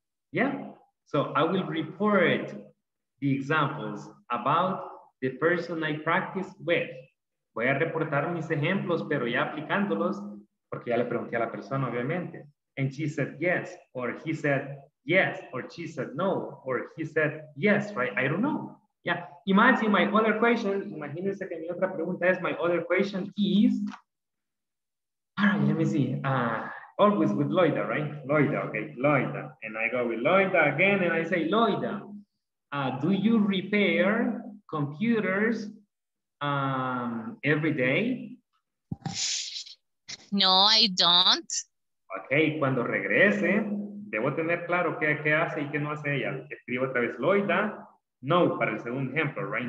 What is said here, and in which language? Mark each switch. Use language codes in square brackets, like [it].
[en] Yeah, so I will report the examples about the person I practice with. [es] Voy a reportar mis ejemplos, pero ya aplicándolos, porque ya le pregunté a la persona, obviamente. [en] And she said yes, or he said yes, or she said no, or he said yes, right? I don't know. Yeah. Imagine my other question. [es] Imagínense que mi otra pregunta es, [en] my other question is. All right, let me see. Always with Loida, right? Loida, okay, Loida. And I go with Loida again and I say, Loida, do you repair computers every day? No, I don't. [es] Okay, cuando regrese, debo tener claro qué hace y qué no hace ella. Escribo otra vez Loida, no, para el segundo ejemplo, right?